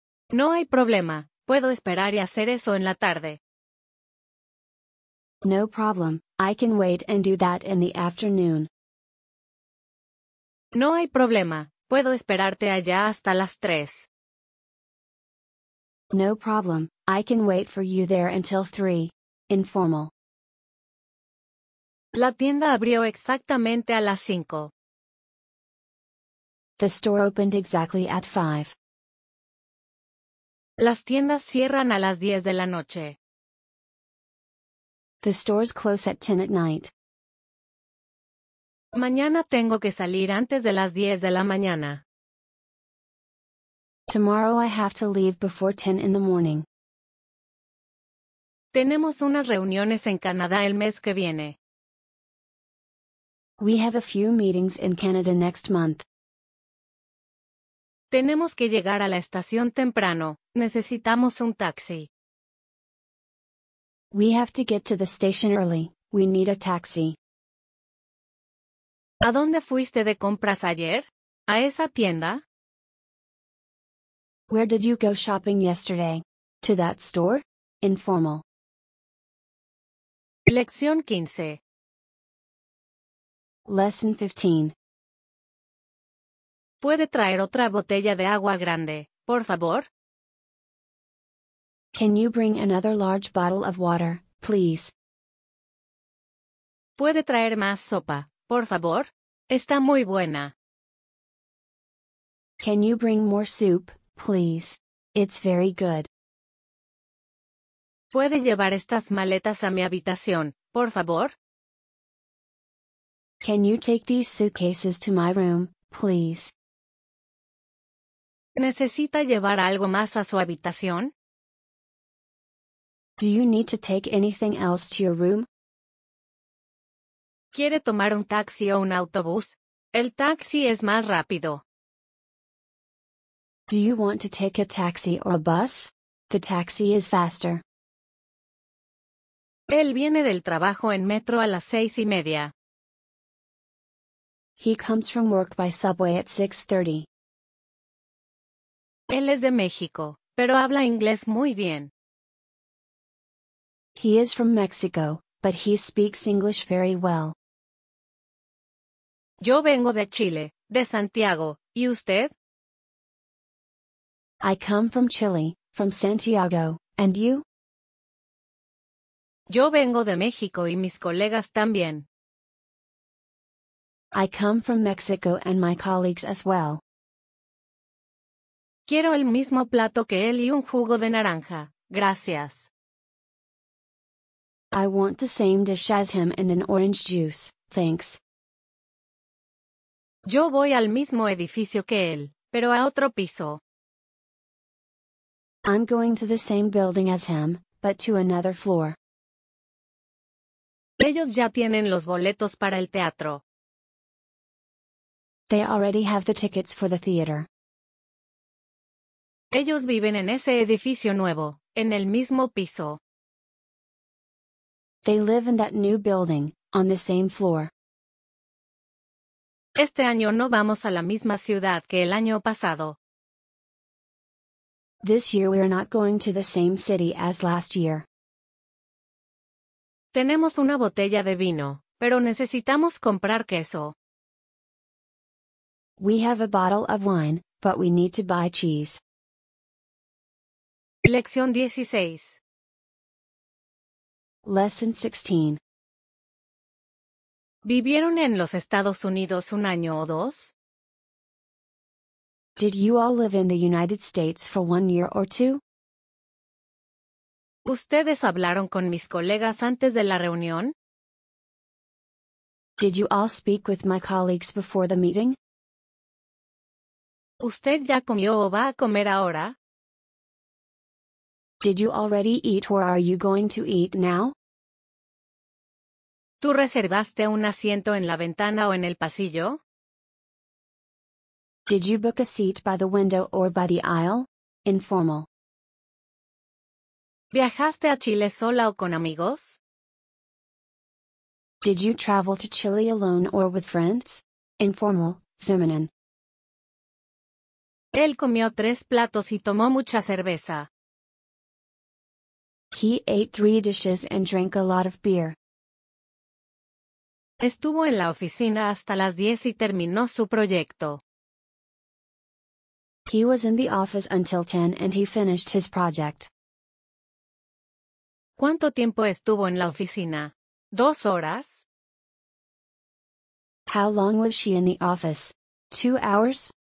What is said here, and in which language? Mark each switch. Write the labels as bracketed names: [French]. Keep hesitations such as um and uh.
[Spanish] No hay problema, puedo esperar y hacer eso en la tarde. [English] No problem, I can wait and do that in the afternoon. [Spanish] No hay problema, puedo esperarte allá hasta las tres. [English] No problem, I can wait for you there until three. Informal. [Spanish] La tienda abrió exactamente a las cinco. [English] The store opened exactly at 5. [Spanish] Las tiendas cierran a las 10 de la noche. [English] The stores close at 10 at night. [Spanish] Mañana tengo que salir antes de las 10 de la mañana. [English] Tomorrow I have to leave before 10 in the morning. [Spanish] Tenemos unas reuniones en Canadá el mes que viene. [English] We have a few meetings in Canada next month. [Spanish] Tenemos que llegar a la estación temprano. Necesitamos un taxi. [English] We have to get to the station early. We need a taxi. [Spanish] ¿A dónde fuiste de compras ayer? ¿A esa tienda? [English] Where did you go shopping yesterday? To that store? Informal. [Spanish] Lección 15. [English] Lesson 15. [Spanish] ¿Puede traer otra botella de agua grande, por favor? [English] Can you bring another large bottle of water, please? [Spanish] ¿Puede traer más sopa, por favor? Está muy buena. [English] Can you bring more soup, please? It's very good. [Spanish] ¿Puede llevar estas maletas a mi habitación, por favor? [English] Can you take these suitcases to my room, please? [Spanish] ¿Necesita llevar algo más a su habitación? [English] Do you need to take anything else to your room? [Spanish] ¿Quiere tomar un taxi o un autobús? El taxi es más rápido. [English] Do you want to take a taxi or a bus? The taxi is faster. [Spanish] Él viene del trabajo en metro a las seis y media. [English] He comes from work by subway at 6.30. [Spanish] Él es de México, pero habla inglés muy bien. [English] He is from Mexico, but he speaks English very well. [Spanish] Yo vengo de Chile, de Santiago, ¿Y usted? [English] I come from Chile, from Santiago, and you? [Spanish] Yo vengo de México y mis colegas también. [English] I come from Mexico and my colleagues as well. [Spanish] Quiero el mismo plato que él y un jugo de naranja. Gracias. [English] I want the same dish as him and an orange juice. Thanks. [Spanish] Yo voy al mismo edificio que él, pero a otro piso. [English] I'm going to the same building as him, but to another floor. [Spanish] Ellos ya tienen los boletos para el teatro. [English] They already have the tickets for the theater. [Spanish] Ellos viven en ese edificio nuevo, en el mismo piso. [English] They live in that new building, on the same floor. [Spanish] Este año no vamos a la misma ciudad que el año pasado. [English] This year we are not going to the same city as last year. [Spanish] Tenemos una botella de vino, pero necesitamos comprar queso. [English] We have a bottle of wine, but we need to buy cheese. [Spanish] Lección 16. [English] Lesson 16. [Spanish] ¿Vivieron en los Estados Unidos un año o dos? [English] Did you all live in the United States for one year or two? [Spanish] ¿Ustedes hablaron con mis colegas antes de la reunión? [English] Did you all speak with my colleagues before the meeting? [Spanish] ¿Usted ya comió o va a comer ahora? [English] Did you already eat or are you going to eat now? [Spanish] ¿Tú reservaste un asiento en la ventana o en el pasillo? [English] Did you book a seat by the window or by the aisle? Informal. [Spanish] ¿Viajaste a Chile sola o con amigos? [English] Did you travel to Chile alone or with friends? Informal, feminine. [Spanish] Él comió tres platos y tomó mucha cerveza. [English] He ate three dishes and drank a lot of beer. [Spanish] Estuvo en la oficina hasta las diez y terminó su proyecto. [English] He was in the office until 10 and he finished his project. How long was she in the office? Two hours? How long was she in the office? Two hours?